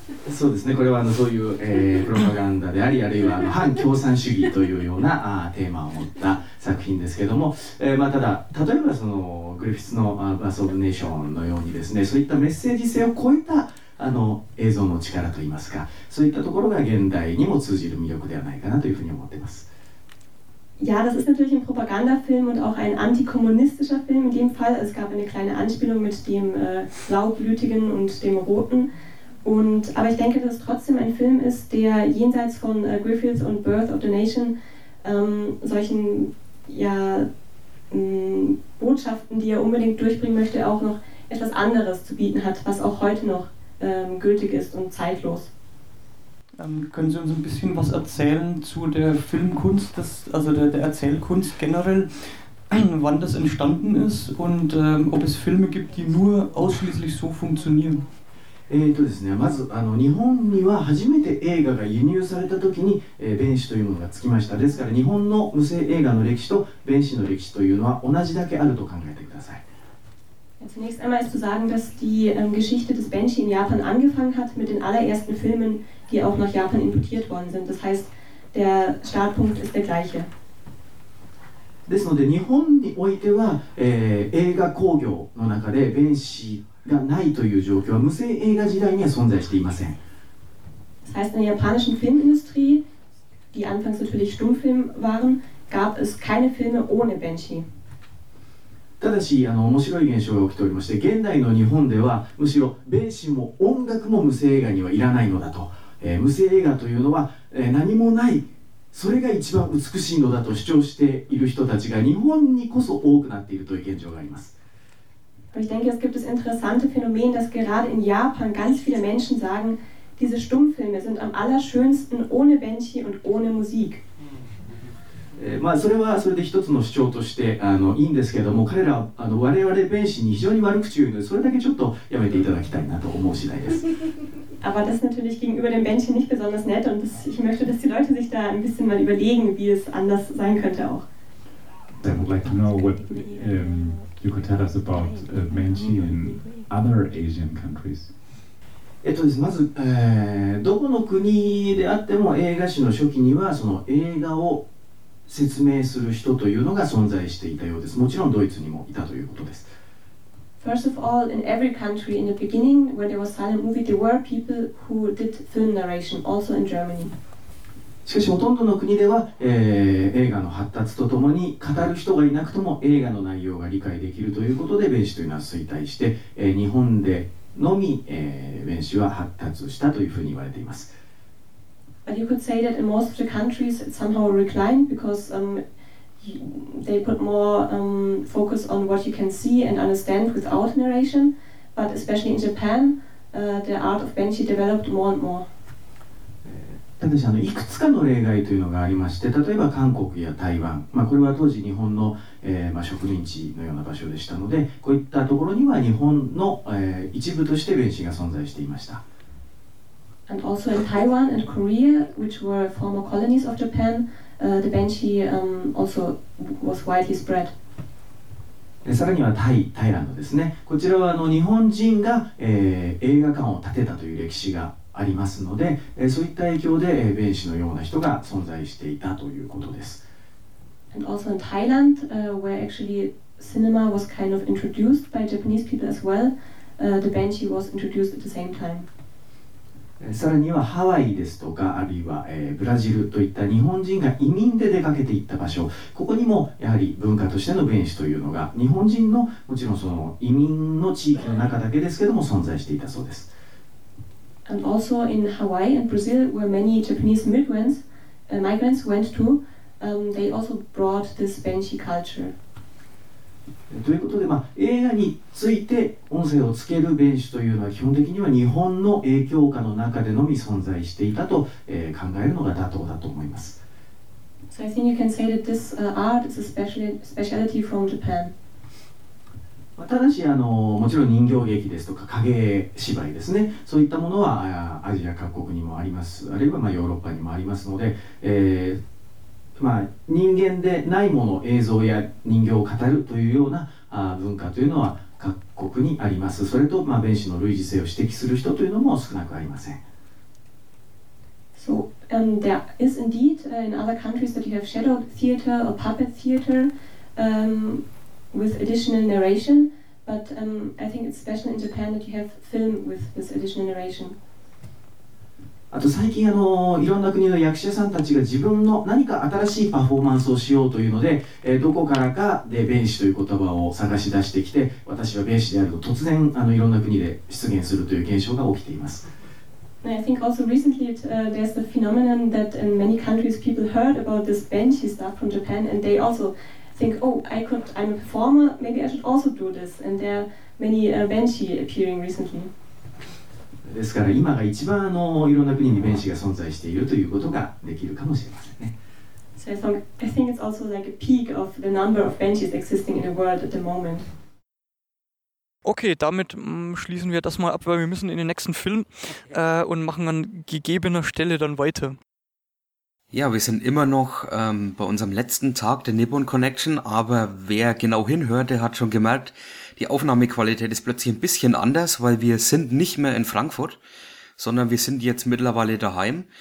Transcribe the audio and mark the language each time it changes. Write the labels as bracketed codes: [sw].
[ja] そうですね。これはそういうプロパガンダであり、あるいは反共産主義というようなテーマを持った作品ですけども、まあただ例えばそのグリフィスのバースオブネーションのようにですね、そういったメッセージ性を超えた映像の力といいますか、そういったところが現代にも通じる魅力ではないかなというふうに思っています。 [de] Ja, das ist natürlich ein Propagandafilm und auch ein antikommunistischer Film in dem Fall. Es gab eine kleine Anspielung mit dem Blaublütigen und dem Roten. Und, aber ich denke, dass es trotzdem ein Film ist, der jenseits von Griffiths und Birth of the Nation solchen ja, Botschaften, die er unbedingt durchbringen möchte, auch noch etwas anderes zu bieten hat, was auch heute noch gültig ist und zeitlos. Können Sie uns ein bisschen was erzählen zu der Filmkunst, der Erzählkunst generell, wann das entstanden ist und ob es Filme gibt, die nur ausschließlich so funktionieren? [ja] ですね、まず日本には初めて映画が輸入された時に弁士というものがつきました。ですから日本の無声映画の歴史と弁士の歴史というのは同じだけあると考えてください。 [de] Zunächst einmal ist zu sagen, dass die Geschichte des Banshee in Japan angefangen hat mit den allerersten Filmen, die auch nach Japan importiert worden sind. Das heißt, der Startpunkt ist der gleiche. [ja] ですので、日本においては、映画工業の中で Banshee がないという状況は無声映画時代には存在していません。 [de] Das heißt, in der japanischen Filmindustrie, die anfangs natürlich Stummfilm waren, gab es keine Filme ohne Banshee. [ja] ただし面白い現象が起きておりまして、現代の日本ではむしろ弁士も音楽も無声映画にはいらないのだと、無声映画というのは、何もない、それが一番美しいのだと主張している人たちが日本にこそ多くなっているという現状があります。 [de] Ich denke, es gibt das interessante Phänomen, dass gerade in Japan ganz viele Menschen sagen, diese Stummfilme sind am allerschönsten ohne Banshee und ohne Musik. [ja] まあ、それはそれで一つの主張としていいんですけども、彼ら我々弁士に非常に悪口を言うので、それだけちょっとやめていただきたいなと思う次第です。 [de] Aber das ist natürlich gegenüber den Menschen nicht besonders nett und ich möchte, dass die Leute sich da ein bisschen mal überlegen, wie es anders sein könnte auch. [en] I would like to know what you could tell us about Menshi in other Asian countries. [ja] まず、どこの国であっても映画史の初期にはその映画を説明する人というのが存在していたようです。もちろんドイツにもいたということです。 [en] First of all, in every country in the beginning, when there was silent movie, there were people who did film narration, also in Germany. [ja] しかしほとんどの国では、映画の発達とともに語る人がいなくとも映画の内容が理解できるということで弁士というのは衰退して、日本でのみ、弁士は発達したというふうに言われています。 [en] But you could say that in most of the countries it somehow reclined because、they put more、focus on what you can see and understand without narration, but especially in Japan、the art of benshi developed more and more。 [ja] ただし、いくつかの例外というのがありまして、例えば韓国や台湾、まあ、これは当時日本の、植民地のような場所でしたので、こういったところには日本の、一部として弁士が存在していました。 [en] And also in Taiwan and Korea, which were former colonies of Japan, the benshi, also was widely spread. [ja] さらにはタイランドですね。こちらは日本人が、映画館を建てたという歴史がありますので、そういった影響で、弁士のような人が存在していたということです。 [en] And also in Thailand, where actually cinema was kind of introduced by Japanese people as well, the benshi was introduced at the same time. [ja] さらにはハワイですとかあるいは、ブラジルといった日本人が移民で出かけていった場所、ここにもやはり文化としての弁士というのが日本人のもちろんその移民の地域の中だけですけども存在していたそうです。 [en] And also in Hawaii and Brazil where many Japanese migrants,、migrants went to,、they also brought this benshi culture. [ja] ということで、まあ、映画について音声をつける弁士というのは基本的には日本の影響下の中でのみ存在していたと、考えるのが妥当だと思います。 [en] So I think you can say that this art is a speciality from Japan、 [ja] まあ、ただしもちろん人形劇ですとか影芝居ですね、そういったものはアジア各国にもあります、あるいはまあヨーロッパにもありますので、まあ、人間でないもの、映像や人形を語るというような文化というのは各国にあります。それと、まあ、弁士の類似性を指摘する人というのも少なくありません。 [en] So、there is indeed、in other countries that you have shadow theater or puppet theater、with additional narration, but、I think it's special in Japan that you have film with this additional narration [ja] あと最近いろんな国の役者さんたちが自分の何か新しいパフォーマンスをしようというので、どこからかで弁士という言葉を探し出してきて、私は弁士であると突然いろんな国で出現するという現象が起きています。 [en] I think also recently it,、there's the phenomenon that in many countries people heard about this benshi stuff from Japan and they also think, oh, I'm a performer, maybe I should also do this, and there are many、benshi appearing recently. [ja] ですから今が一番いろんな国に弁士が存在しているということができるかもしれませんね。 [en] So I think it's also like a peak of the number of benshis existing in the world at the moment. [de] Okay, damit schließen wir das mal ab, weil wir müssen in den nächsten Film、und machen an gegebener Stelle dann weiter. Ja, wir sind immer noch bei unserem letzten Tag der Nippon Connection, aber wer genau hinhört, der hat schon gemerkt,Die Aufnahmequalität ist plötzlich ein bisschen anders, weil wir sind nicht mehr in Frankfurt, sondern wir sind jetzt mittlerweile daheim.